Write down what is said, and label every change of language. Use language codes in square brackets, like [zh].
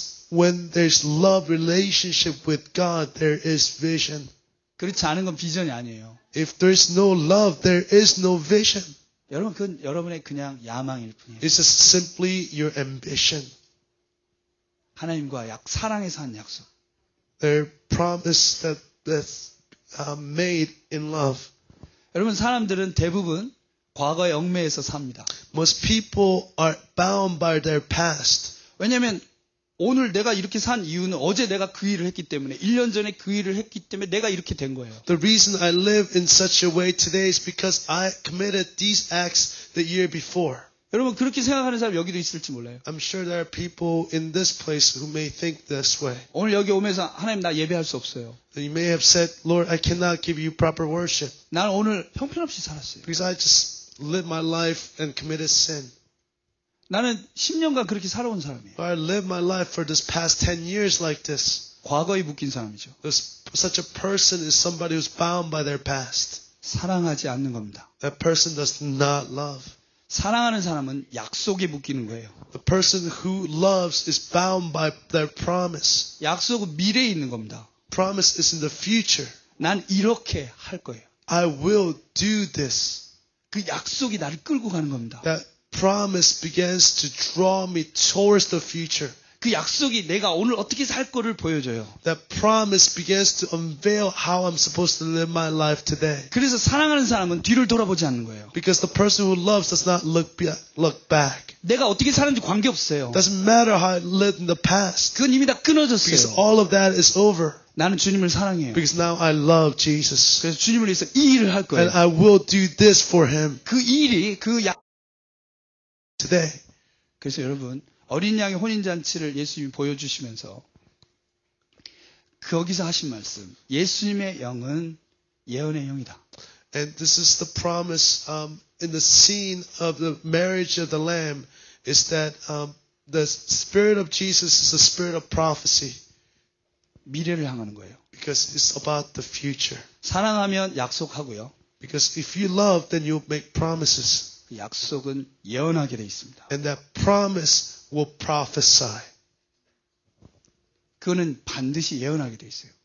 [en] When there's love relationship with God, there is vision. [ko] 그렇지 않은 건 비전이 아니에요. [en] If there's no love, there is no vision. [ko] 여러분 그건 여러분의 그냥 야망일 뿐이에요. [en] It's just simply your ambition. [ko] 하나님과 사랑에서 한 약속. [en] Their promise that made in love. [ko] 여러분 사람들은 대부분 과거의 얽매에서 삽니다. [en] Most people are bound by their past. [ko] 왜냐하면 오늘 내가 이렇게 산 이유는 어제 내가 그 일을 했기 때문에 1년 전에 그 일을 했기 때문에 내가 이렇게 된 거예요. [en] The reason I live in such a way today is because I committed these acts the year before. [ko] 여러분 그렇게 생각하는 사람 여기도 있을지 몰라요. [en] I'm sure there are people in this place who may think this way. [ko] 오늘 여기 오면서 하나님 나 예배할 수 없어요. [en] You may have said, Lord, I cannot give you proper worship. [ko] 난 오늘 형편없이 살았어요. [en] Because I just lived my life and committed sin. [ko] 나는 10년간 그렇게 살아온 사람이에요. [en] I lived my life for this past 10 years like this. [ko] 과거에 묶인 사람이죠. [en] Such a person is somebody who's bound by their past. [ko] 사랑하지 않는 겁니다. [en] That person does not love. [ko] 사랑하는 사람은 약속에 묶이는 거예요. [en] The person who loves is bound by their promise. [ko] 약속은 미래에 있는 겁니다. [en] promise is in the future. [ko] 난 이렇게 할 거예요. [en] I will do this. [ko] 그 약속이 나를 끌고 가는 겁니다. [en] That promise begins to draw me towards the future. [ko] 그 약속이 내가 오늘 어떻게 살 거를 보여줘요. [en] That promise begins to unveil how I'm supposed to live my life today. [ko] 그래서 사랑하는 사람은 뒤를 돌아보지 않는 거예요. [en] Because the person who loves does not look back. [ko] 내가 어떻게 사는지 관계없어요. [en] Doesn't matter how I lived in the past. [ko] 그건 이미 다 끊어졌어요. [en] Because all of that is over. [ko] 나는 주님을 사랑해요. [en] Because now I love Jesus. [ko] 그래서 주님을 위해서 이 일을 할 거예요. [en] And I will do this for him. [ko] 그 일이 그 약 [en] today. [ko] 그래서 여러분 어린 양의 혼인 잔치를 예수님이 보여 주시면서 거기서 하신 말씀. 예수님의 영은 예언의 영이다. [en] And this is the promise in the scene of the marriage of the lamb is that the spirit of Jesus is the spirit of prophecy. [ko] 미래를 향하는 거예요. [en] Because it's about the future. [ko] 사랑하면 약속하고요. [en] Because if you love then you make promises. [ko] 약속은 예언하게 돼 있습니다. [en] And that promise will prophesy. [ko] 그거는 반드시 예언하게 돼 있어요.